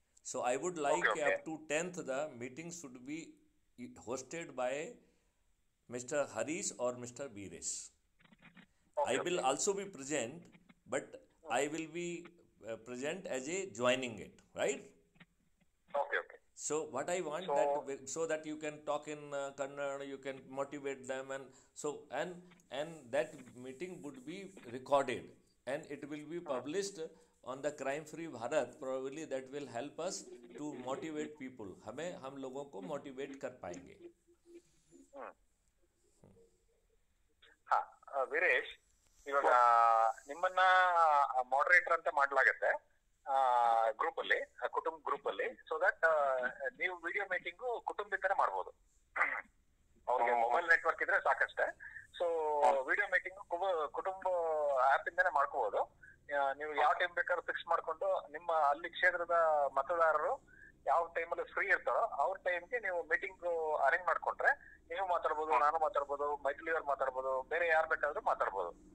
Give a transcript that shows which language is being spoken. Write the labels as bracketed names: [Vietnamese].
[English] So I would like up to 10th the meeting should be hosted by mister Harish or mister Veeresh. I will also be present, but I will be present as a joining it, right? So what I want, so that you can talk in Kannada, you can motivate them, and so and that meeting would be recorded and it will be published on the Crime Free Bharat. Probably that will help us to motivate people. [Hindi] Hame hum logo ko motivate kar payenge. [Kannada] Ha, Veeresh, ivaga nimmanna moderator anta maatlagutte group ಅಲ್ಲಿ, ಕುಟುಂಬ group ಅಲ್ಲಿ. So that ನೀವು video meeting ಕುಟುಂಬದಿಂದ ಮಾಡಬಹುದು. ಅವ್ರಿಗೆ mobile network ಇದ್ರೆ ಸಾಕಷ್ಟೇ. So video meeting ಕುಟುಂಬ app ಇಂದಾನೆ ಮಾಡ್ಕೋಬಹುದು. ನೀವು ಯಾವ ಟೈಮ್ ಬೇಕಾದ್ರೂ ಫಿಕ್ಸ್ ಮಾಡ್ಕೊಂಡು ನಿಮ್ಮ ಅಲ್ಲಿ ಕ್ಷೇತ್ರದ ಮತದಾರರು ಯಾವ ಟೈಮಲ್ಲಿ ಫ್ರೀ ಇರ್ತಾರೋ ಅವ್ರ ಟೈಮ್ಗೆ ನೀವು ಮೀಟಿಂಗ್ ಅರೇಂಜ್ ಮಾಡ್ಕೊಂಡ್ರೆ ನೀವು ಮಾತಾಡ್ಬೋದು, ನಾನು ಮಾತಾಡ್ಬೋದು, ಮೈಥಿಲಿ ಅವ್ರು ಮಾತಾಡ್ಬೋದು, ಬೇರೆ ಯಾರು ಬೇಕಾದ್ರೂ ಮಾತಾಡ್ಬೋದು.